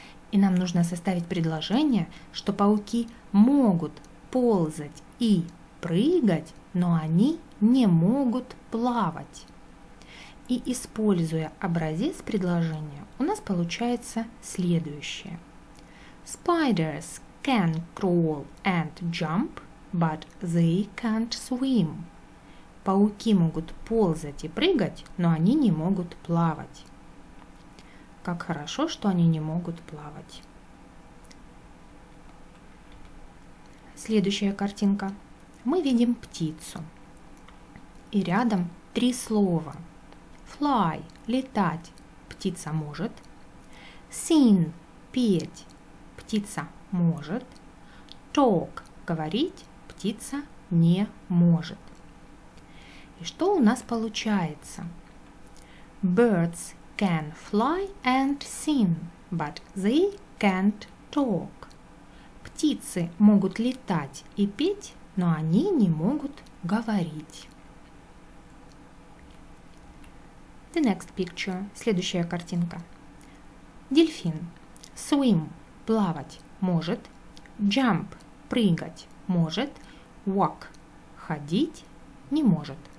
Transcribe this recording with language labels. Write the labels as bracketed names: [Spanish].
[Russian] И нам нужно составить предложение, что пауки могут ползать и прыгать, но они не могут плавать. И используя образец предложения, у нас получается следующее. [English] Spiders can crawl and jump, but they can't swim. [Russian] Пауки могут ползать и прыгать, но они не могут плавать. Как хорошо, что они не могут плавать. Следующая картинка. Мы видим птицу. И рядом три слова. Fly – летать. Птица может. Sing – петь. Птица может. Talk – говорить. Птица не может. И что у нас получается? [English] Birds can fly and sing, but they can't talk. [Russian] Птицы могут летать и петь, но они не могут говорить. [English] The next picture. [Russian] Следующая картинка. Дельфин. Swim. Плавать. Может. Jump. Прыгать. Может. Walk. Ходить. Не может.